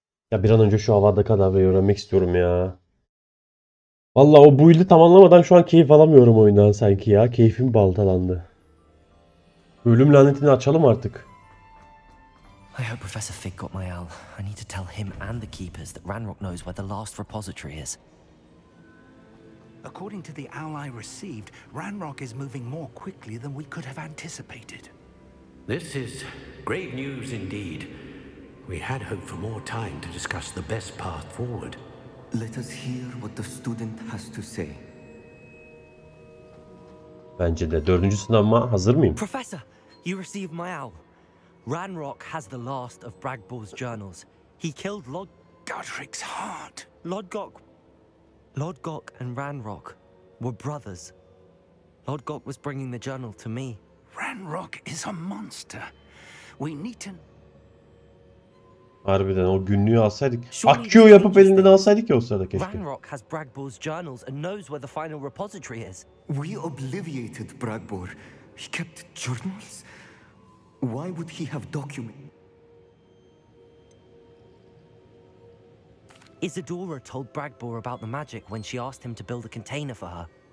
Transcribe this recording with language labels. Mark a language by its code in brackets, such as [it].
[tr] Ya bir an önce şu Avada Kedavra'yı öğrenmek istiyorum ya. Vallahi o build'i tamamlamadan şu an keyif alamıyorum oyundan sanki ya. Keyfim baltalandı. Ölüm lanetini açalım artık. [en] I hope Professor Fig got my owl. I need to tell him and the keepers that Ranrock knows where the last repository is. According to the owl I received, Ranrock is moving more quickly than we could have anticipated. This is great news indeed. We had hoped for more time to discuss the best path forward. Let us hear what the student has to say. [tr] Bence de 4. sınavıma hazır mıyım? [en] Professor, You receive my owl. Ranrok has the last of Bragbor's journals. He killed Lod... Godric's heart. Lodgok... Lodgok and Ranrok were brothers. Lodgok was bringing the journal to me. Ranrok is a monster. We need to... [tr] Harbiden o günlüğü alsaydık. Akio yapıp elinden alsaydık ya o sırada keşke. [en] Ranrok has Bragbor's journals and knows where the final repository is. We obliterated Bragbor. He kept journals? Why would he have documents? Isadora told Bragbor about the magic when she asked him to build a container for her.